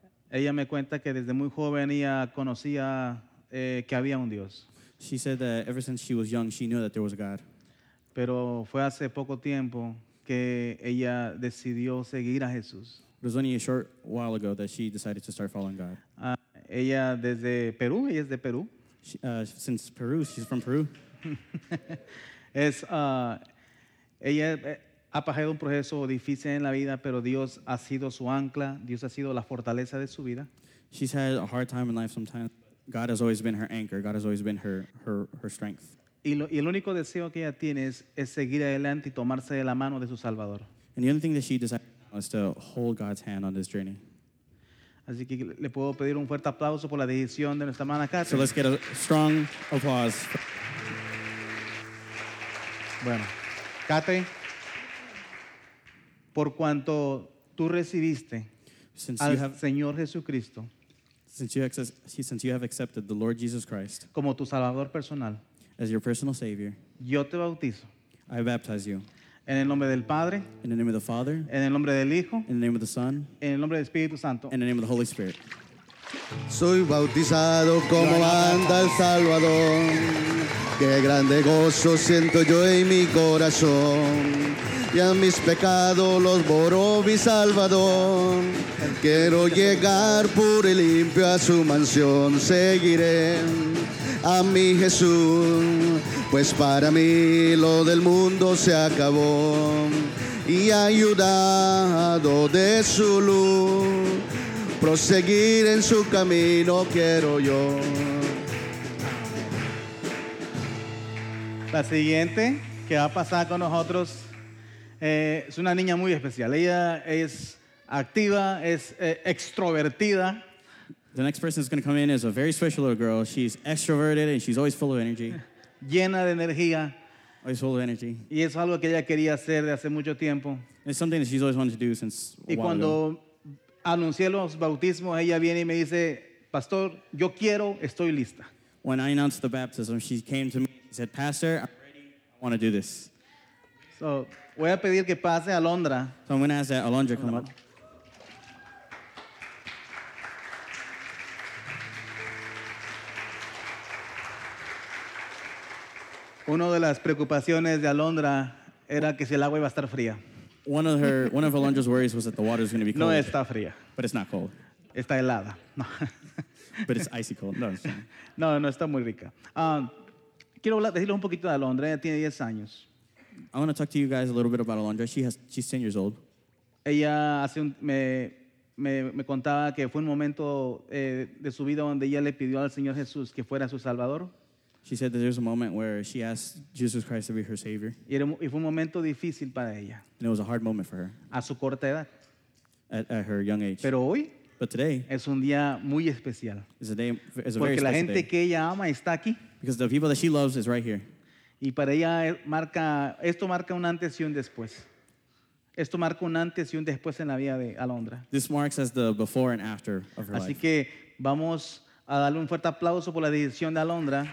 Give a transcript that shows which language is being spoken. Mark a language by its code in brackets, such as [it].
[es] Ella me cuenta que desde muy joven ella conocía que había un Dios. [en] She said that ever since she was young, she knew that there was a God. [es] Pero fue hace poco tiempo que ella decidió seguir a Jesús. [en] It was only a short while ago that she decided to start following God. [es] Ella desde Perú, ella es de Perú. [en] Since Peru, she's from Peru. [es] Es ella ha pasado un proceso difícil en la vida, pero Dios ha sido su ancla, Dios ha sido la fortaleza de su vida. [en] She's had a hard time in life sometimes. God has always been her anchor. God has always been her strength. [es] Y el único deseo que ella tiene es seguir adelante y tomarse de la mano de su Salvador. [en] And the only thing that she desires is to hold God's hand on this journey. [es] Así que le puedo pedir un fuerte aplauso por la decisión de nuestra hermana Catherine. [en] So let's get a strong applause. [es] Bueno, Catherine, por cuanto tú recibiste al Señor Jesucristo, [en] since you have accepted the Lord Jesus Christ [es] como tu Salvador personal, [en] as your personal Savior, [es] yo te bautizo. [en] I baptize you. [es] En el nombre del Padre, [en] in the name of the Father, [es] en el nombre del Hijo, [en] in the name of the Son, [es] en el nombre del Espíritu Santo, [en] in the name of the Holy Spirit. [es] Soy bautizado como manda el Salvador. Qué grande gozo siento yo en mi corazón. Y a mis pecados los borró mi Salvador. Quiero llegar puro y limpio a su mansión. Seguiré a mi Jesús, pues para mí lo del mundo se acabó. Y ayudado de su luz, proseguir en su camino quiero yo. La siguiente que va a pasar con nosotros es una niña muy especial. Ella es activa, es extrovertida. [en] The next person that's going to come in is a very special little girl. She's extroverted and she's always full of energy. [es] Llena de energía. [en] Always full of energy. [es] Y es algo que ella quería hacer de hace mucho tiempo. [en] It's something that she's always wanted to do since a while ago. [es] Y cuando anuncié los bautismos, ella viene y me dice, Pastor, yo quiero, estoy lista. [en] When I announced the baptism, she came to me and said, Pastor, I'm ready, I want to do this. [es] So, voy a pedir que pase a Alondra. [en] So I'm going to ask that Alondra come up. [es] Una de las preocupaciones de Alondra era que si el agua iba a estar fría. [en] One of Alondra's worries was that the water is going to be cold. [es] No está fría. [en] But it's not cold. [es] Está helada. No. [en] But it's icy cold. No, [es] no, no, está muy rica. Quiero hablar, decirles un poquito de Alondra. Ella tiene 10 años. [en] I want to talk to you guys a little bit about Alondra. She's 10 years old. [es] Ella hace un, me contaba que fue un momento de su vida donde ella le pidió al Señor Jesús que fuera su Salvador. [en] She said that there's a moment where she asked Jesus Christ to be her Savior. [es] Y fue un momento difícil para ella. [en] And it was a hard moment for her. [es] A su corta edad. [en] At her young age. [es] Pero hoy. [en] But today. [es] Es un día muy especial. [en] It's a day. It's a very special day. [es] Porque la gente que ella ama está aquí. [en] Because the people that she loves is right here. [es] Y para ella marca, esto marca un antes y un después. Esto marca un antes y un después en la vida de Alondra. [en] This marks as the before and after of her [es] Así [en] life. [es] Así que vamos a darle un fuerte aplauso por la decisión de Alondra.